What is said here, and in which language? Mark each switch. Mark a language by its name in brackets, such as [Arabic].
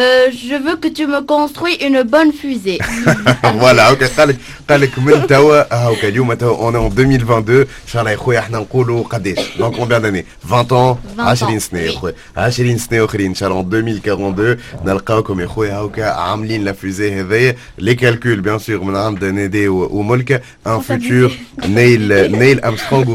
[French] je veux que tu me construis une bonne fusée. Voilà, ok. [Arabic] قالك من توا هاكا اليوم توا [French] on est en 2022. [Arabic] ان شاء الله يا خويا احنا نقولوا قداش. [French] Donc combien d'années? 20 ans. [Arabic] 20 سنة يا خويا. 20 سنة اخرين ان شاء الله [French] en 2042 [Arabic] نلقاكم يا خويا هاكا عاملين [French] la fusée [Arabic] هذيا. [French] Les calculs bien sûr [Arabic] من عند نيدي وملك [French] un futur Neil Armstrong ou